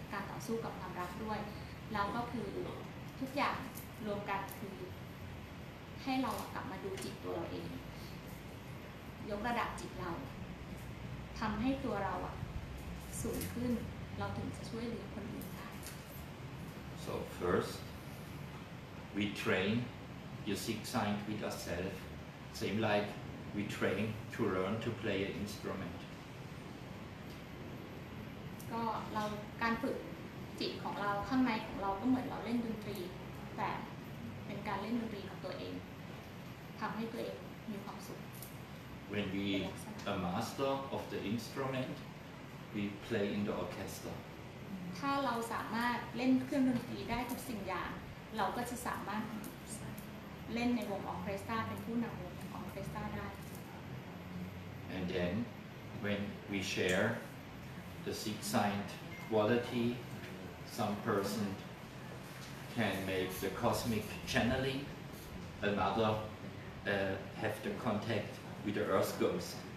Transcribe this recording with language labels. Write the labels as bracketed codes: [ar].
[th] เราต้องเข้าไปที่ถึงจิตเดิมของเราหรอกที่นี่หมายถึงหายเซลล์ของเรานั่นแหละค่ะเพราะว่าถ้าเราพบเขาเราถึงจะรักษาตัวเราเองได้รักษาจิตเราได้ทำทุกอย่างให้ตัวเรารักษาจิตเราได้ทำทุกอย่างให้ตัวเรารักษาจิตเราต้องยกให้สูงก่อนนั่นคือสิ่งที่ท่านเราต้องต่อสู้กับเพื่อที่จะมีความรักต่อสู้กับความรักก่อนอันนี้ท่านก็พูดถึงเรื่องการต่อสู้กับความรักด้วยแล้วก็คือทุกอย่างรวมกันคือให้เรากลับมาดูจิตตัวเราเองยกระดับจิตเราทำให้ตัวเราอ่ะสูงขึ้นเราถึงจะช่วยเหลือคนอื่นได้ [en] So first we train your six signs with ourselves same like we train to learn to play an instrument [th] ก็เราการฝึกจิตของเราข้างในของเราก็เหมือนเราเล่นดนตรีแต่เป็นการเล่นดนตรีของตัวเองทำให้ตัวเองมีความสุข [en] When we a master of the instrument we play in the orchestra [th] ถ้าเราสามารถเล่นเครื่องดนตรีได้ทุกสิ่งอย่างเราก็จะสามารถเล่นในวงออเคสตราเป็นผู้นำวงออเคสตราได้ [en] And then when we share the six signs qualitySome person can make the cosmic channeling, another have the contact with the earth ghost.